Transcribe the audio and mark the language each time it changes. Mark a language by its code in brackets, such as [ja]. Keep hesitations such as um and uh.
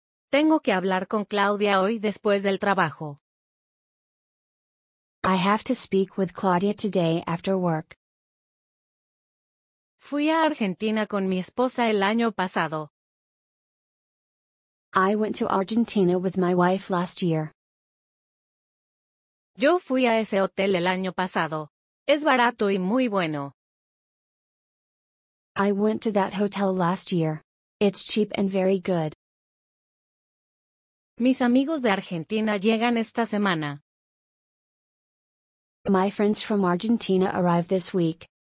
[es] Tengo que hablar con Claudia hoy después del trabajo. [en] I have to speak with Claudia today after work. [es] Fui a Argentina con mi esposa el año pasado. [en] I went to Argentina with my wife last year. [es] Yo fui a ese hotel el año pasado. Es barato y muy bueno. [en] I went to that hotel last year. It's cheap and very good. [es] Mis amigos de Argentina llegan esta semana. [en] My friends from Argentina arrive this week.